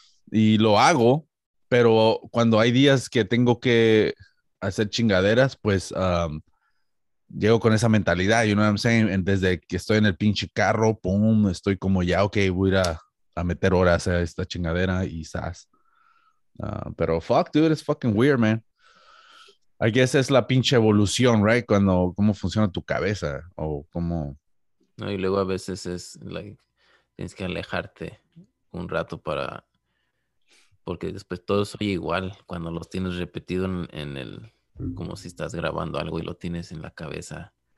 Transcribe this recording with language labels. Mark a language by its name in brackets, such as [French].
[Spanish] Y lo hago, pero cuando hay días que tengo que hacer chingaderas, pues llego con esa mentalidad, [English] you know what I'm saying? [Spanish] Desde que estoy en el pinche carro, pum, estoy como ya, ok, voy a meter horas a esta chingadera y zas. Pero [English] fuck, dude, it's fucking weird, man. I guess [Spanish] es la pinche evolución, right? Cuando, cómo funciona tu cabeza o cómo. No, y luego a veces es like, tienes que alejarte un rato para. Porque después todo soy igual cuando los tienes repetido en el. Como si estás grabando algo y lo tienes en la cabeza.